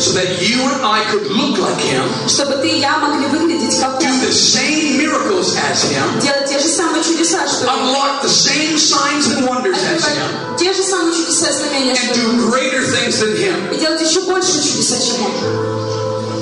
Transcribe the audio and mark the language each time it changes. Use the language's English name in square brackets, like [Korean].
[English] So that you and I could look like him. [Russian] Чтобы ты и я могли выглядеть как он. [English] Do the same miracles as him. [Russian] Делать те же самые чудеса, что он. [English] Unlock the same signs and wonders as him. [Russian] Те же самые чудеса, знамения, что он. [English] And do greater things than him. [Russian] И делать еще больше чудеса, чем он.